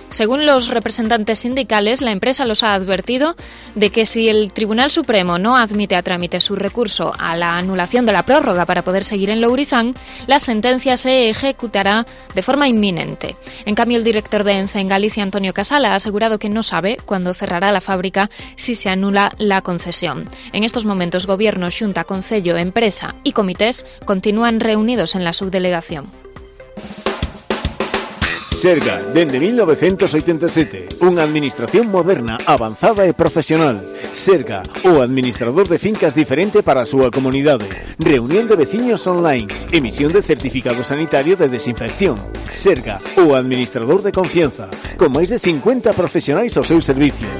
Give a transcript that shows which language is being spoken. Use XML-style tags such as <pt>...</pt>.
<es>Según los representantes sindicales, la empresa los ha advertido de que si el Tribunal Supremo no admite a trámite su recurso a la anulación de la prórroga para poder seguir en Lourizán, la sentencia se ejecutará de forma inminente. En cambio, el director de ENCE en Galicia, Antonio Casala, ha asegurado que no sabe cuándo cerrará la fábrica si se anula la concesión. En estos momentos, Gobierno, Xunta, Concello, Empresa y Comités continúan reunidos en la subdelegación.</es> <gl>Serga, dende 1987, unha administración moderna, avanzada e profesional. Serga, o administrador de fincas diferente para a súa comunidade. Reunión de veciños online, emisión de certificado sanitario de desinfección. Serga, o administrador de confianza, con máis de 50 profesionais ao seu servicio.</gl>